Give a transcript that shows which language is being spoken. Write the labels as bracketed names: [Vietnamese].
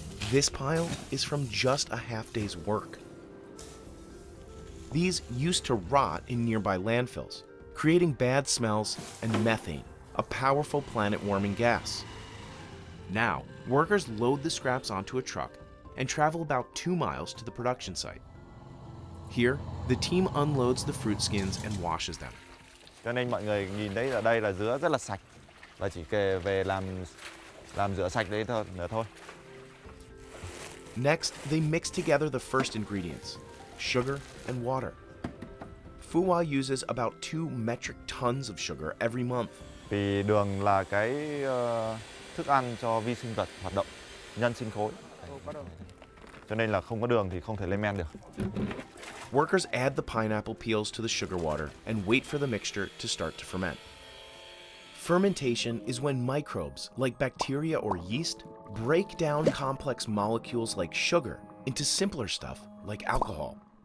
[English] This pile is from just a half day's work. These used to rot in nearby landfills, creating bad smells and methane, a powerful planet warming gas. Now, workers load the scraps onto a truck and travel about 2 miles to the production site. Here, the team unloads the fruit skins and washes them. [Vietnamese] Cho nên mọi người nhìn thấy ở đây là dứa rất là sạch và chỉ về làm dứa sạch đấy thôi. [English] Next, they mix together the first ingredients, sugar and water. Fuwa uses about 2 metric tons of sugar every month. [Vietnamese] Vì đường là cái thức ăn cho vi sinh vật hoạt động, nhân sinh khối. Cho nên là không có đường thì không thể lên men được. [English] Workers add the pineapple peels to the sugar water and wait for the mixture to start to ferment. Fermentation is when microbes, like bacteria or yeast, break down complex molecules like sugar into simpler stuff like alcohol.